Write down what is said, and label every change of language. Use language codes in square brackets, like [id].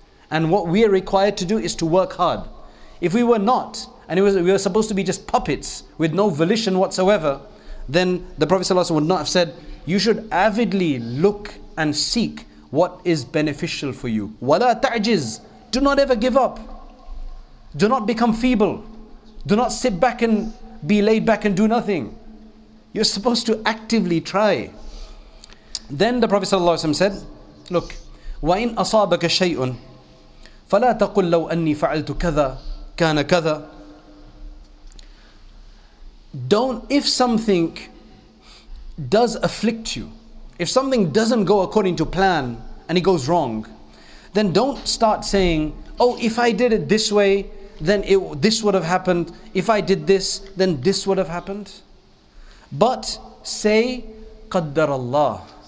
[en] And what we are required to do is to work hard. If we were not, and we were supposed to be just puppets with no volition whatsoever, then the Prophet ﷺ would not have said, you should avidly look and seek what is beneficial for you. [ar] وَلَا تَعْجِزْ. [en] Do not ever give up. Do not become feeble. Do not sit back and be laid back and do nothing. You're supposed to actively try. Then the Prophet ﷺ said, look, [ar] وَإِنْ أَصَابَكَ شَيْءٌ فَلَا تَقُلْ لَوْ أَنِّي فَعَلْتُ كَذَا كَانَ كَذَا. [en] Don't, if something does afflict you, if something doesn't go according to plan and it goes wrong, then don't start saying, oh, if I did it this way, then this would have happened. If I did this, then this would have happened. But say, قَدَّرَ Allah.